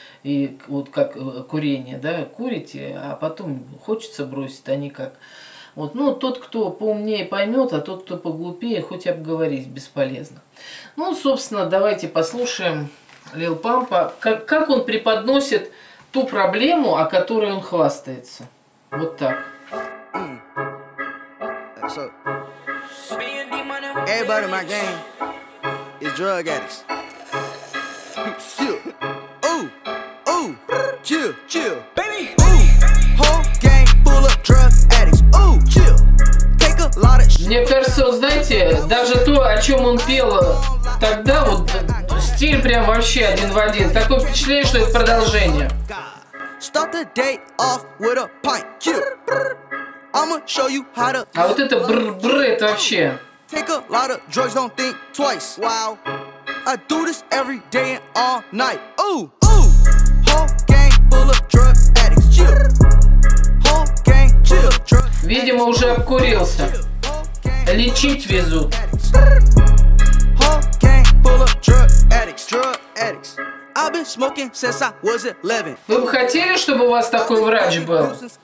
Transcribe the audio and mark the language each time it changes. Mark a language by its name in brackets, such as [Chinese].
[Russian] И вот как курение, да, курите, а потом хочется бросить, а не как. Вот. Ну, тот, кто поумнее, поймет, а тот, кто поглупее, хоть обговорить бесполезно. Ну, собственно, давайте послушаем Лил Пампа, как он преподносит ту проблему, о которой он хвастается. Вот так. [English] So, everybody in my gang is drug addicts. Ooh, ooh, chill, chill, baby. Ooh, whole gang full of drug addicts. Ooh, chill, take a lot of shit. [Russian] Мне кажется, вот, знаете, даже то, о чем он пел тогда, вот стиль прям вообще один в один. Такое впечатление, что это продолжение. [English] Start the day off with a pint. I'ma show you how to. [Russian] А вот это бр-бр, это вообще. [English] Take a lot of drugs, don't think twice. Wow. I do this every day and all night. Ooh, ooh. Whole gang full of drug addicts. Chill. Whole gang chill. Drug. [Russian] Видимо, уже обкурился. Лечить везут. [English] Whole gang full of drug addicts. Drug addicts. I've been smoking since I was 11. [Russian] Вы бы хотели, чтобы у вас такой врач был?